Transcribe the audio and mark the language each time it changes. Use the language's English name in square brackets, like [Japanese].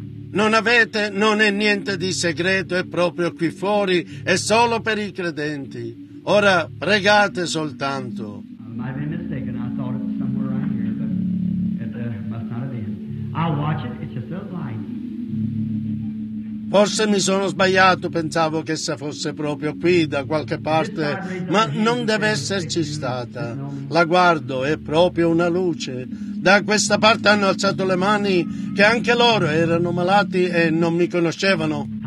[Italian] Non avete, non è niente di segreto, è proprio qui fuori, è solo per i credenti. Ora pregate soltanto. [English] I might be mistaken, I thought it was somewhere around here, but it must not have been. I'll watch it, it's just a light. [Italian] Forse mi sono sbagliato, pensavo che essa fosse proprio qui, da qualche parte, ma non deve esserci stata. La guardo, è proprio una luce. Da questa parte hanno alzato le mani, che anche loro erano malati e non mi conoscevano.